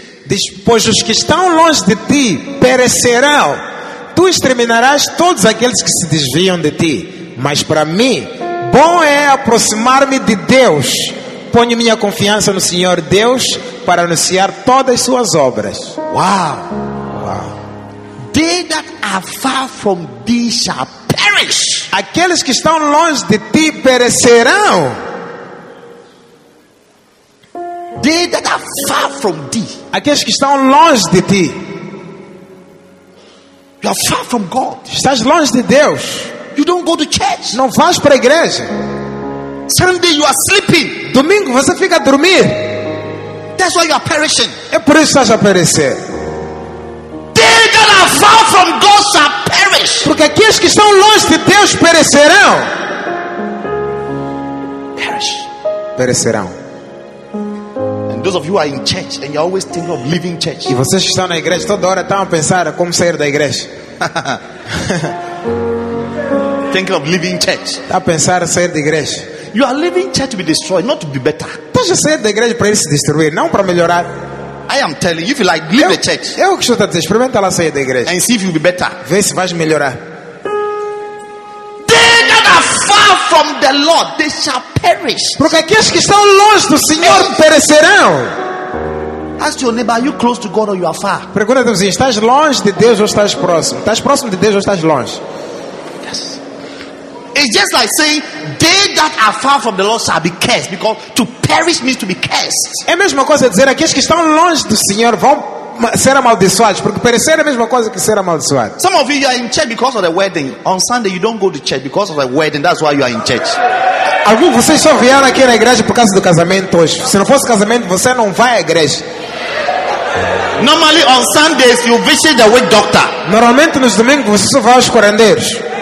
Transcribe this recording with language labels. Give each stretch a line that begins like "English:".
Portuguese: Diz, pois os que estão longe de ti perecerão. Tu exterminarás todos aqueles que se desviam de ti. Mas para mim, bom é aproximar-me de Deus. Ponho minha confiança no Senhor Deus para anunciar todas as suas obras. Uau! Uau!
English: They that are far from thee shall perish.
Portuguese: Aqueles que estão longe de ti perecerão.
English: They that are far from thee.
Portuguese: Aqueles que estão longe de ti.
English: You are far from God.
Portuguese: Estás longe de Deus.
English: You don't go to church.
Portuguese: Não vais para a igreja.
English: Sunday you are sleeping.
Portuguese: Domingo você fica a dormir.
English: That's why you are perishing.
Portuguese: É por isso que estás a perecer.
English: They that are far from God shall perish.
Portuguese: Porque aqueles que estão longe de Deus perecerão.
English: Perish.
Portuguese: Perecerão.
English: And those of you who are in church and you always think of leaving church.
Portuguese: E vocês que estão na igreja toda hora estão a pensar como sair da igreja.
English: Think of leaving church.
Portuguese: Tá pensar sair da igreja.
English: You are leaving church to be destroyed, not to be better.
Portuguese: Tá já sair da igreja para se destruir, não para melhorar.
English: I am telling you, if you like, leave the church.
Portuguese: Eu que estou a dizer, experimenta lá sair da igreja.
English: And see if you be better.
Portuguese: Vê se vais melhorar.
English: They that are far from the Lord, they shall perish.
Portuguese: Porque aqueles que estão longe do Senhor perecerão.
English: Ask your neighbor, are you close to God or you are far?
Portuguese: Pergunta teu vizinho, estás longe de Deus ou estás próximo? Estás próximo de Deus ou estás longe?
English: It's just like saying they that are far from the Lord shall be cursed, because to perish means to be cursed.
Portuguese: É a mesma coisa dizer aqueles que estão longe do Senhor vão ser amaldiçoados, porque perecer é a mesma coisa que ser amaldiçoado.
English: Some of you are in church because of the wedding. On Sunday you don't go to church because of the wedding. That's why you are in church.
Portuguese: Alguns de vocês só vieram aqui na igreja por causa do casamento hoje. Se não fosse casamento, você não vai à igreja.
English: Normally on Sundays you visit the witch doctor.
Portuguese: Normalmente nos domingos você só vai aos curandeiros.